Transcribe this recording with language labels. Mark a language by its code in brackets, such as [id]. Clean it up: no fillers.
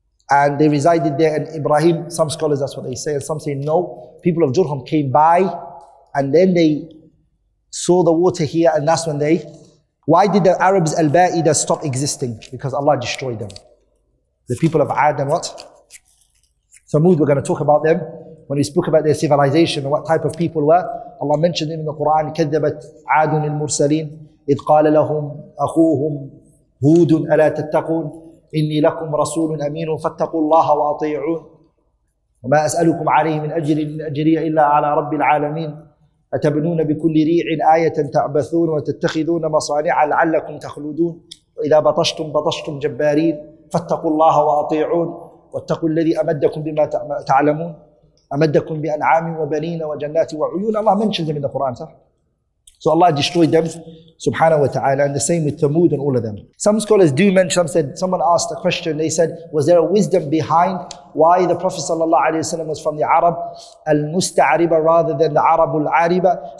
[en] And they resided there. And Ibrahim, some scholars, that's what they say. And some say no. People of Jurhum came by and then they saw the water here. And that's when they... Why did the Arabs Al Baa’idah stop existing? Because Allah destroyed them. The people of Ad and what? Thamud, we're going to talk about them. When we spoke about their civilization and what type of people were, Allah mentioned them in the Quran, [ar] كَذَّبَتْ عَادٌ الْمُرْسَلِينَ إِذْ قَالَ لَهُمْ أَخُوهُمْ هُودٌ أَلَا تَتَّقُونَ إِنِّي لَكُمْ رَسُولٌ أَمِينٌ فَاتَّقُوا اللَّهَ وَأَطِيعُونَ وَمَا أَسْأَلُكُمْ عَلَيْهِ مِنْ أَجْرٍ إِنْ أَجْرِيَ إِلَّا عَلَى رَبِّ الْعَالَمِينَ أَتَبْنُونَ بِكُلِّ رِيعٍ آيَةً تَعْبَثُونَ وَتَتَّخِذُونَ مَصَانِعَ لَعَلَّكُمْ تَخْلُدُونَ وَإِذَا بَطَشْتُمْ بَطَشْتُمْ جَبَّارِينَ فَاتَّقُوا اللَّهَ وَأَطِيعُونَ وَاتَّقُوا الَّذِي أَمَدَّكُمْ بِمَا تَعْلَمُونَ أَمَدَّكُمْ بِأَنْعَامٍ وَبَنِينَ وَجَنَّاتٍ وَعُيُونَ. [en] Allah mentions them in the Quran, sir. So Allah destroyed them, subhanahu wa ta'ala, and the same with Thamud and all of them. Some scholars do mention, someone asked a question, they said, was there a wisdom behind why the Prophet sallallahu alayhi wa sallam was from the Arab al-musta'ariba rather than the Arab al-ariba?